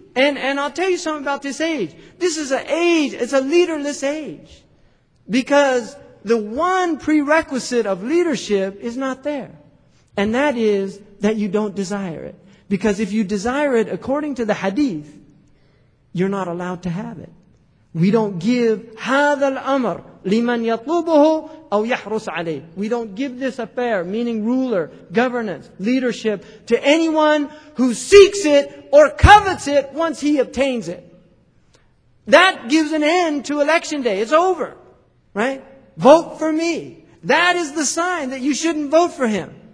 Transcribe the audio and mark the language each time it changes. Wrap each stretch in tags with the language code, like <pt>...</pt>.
<en>And I'll tell you something about this age. This is an age, it's a leaderless age. Because the one prerequisite of leadership is not there. And that is that you don't desire it. Because if you desire it according to the hadith, you're not allowed to have it. We don't give</en> <ar>هذا الأمر لمن يطلبه أو يحرس عليه.</ar> <en>We don't give this affair, meaning ruler, governance, leadership, to anyone who seeks it or covets it once he obtains it. That gives an end to election day. It's over, right? Vote for me. That is the sign that you shouldn't vote for him.</en>